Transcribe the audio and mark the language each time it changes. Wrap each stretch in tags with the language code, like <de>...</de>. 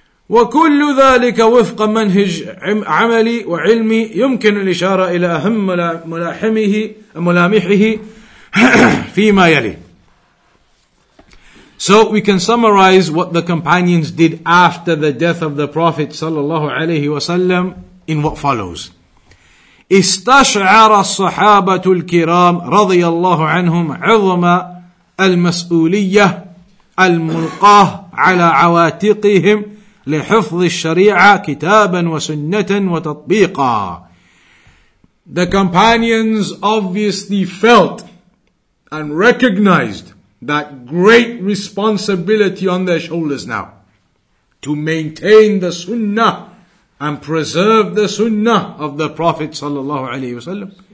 <ar>وَكُلُّ ذَٰلِكَ وَفْقَ مَنْهِجْ عَمَلِي وَعِلْمِي يُمْكِنُ الْإِشَارَةِ إِلَىٰ أَهَمَّ مُلَامِحِهِ فِي مَا يَلِي.</ar> <en>So we can summarize what the companions did after the death of the Prophet sallallahu alayhi wasallam in what follows.</en> <ar>استشعر الصحابة الكرام رضي الله عنهم عظم المسؤولية الملقاة على عواتقهم لحفظ الشريعة كتابا وسنة وتطبيقا.</ar> <en>The companions obviously felt and recognized that great responsibility on their shoulders now to maintain the sunnah and preserve the sunnah of the Prophet sallallahu alaihi wasallam.</en>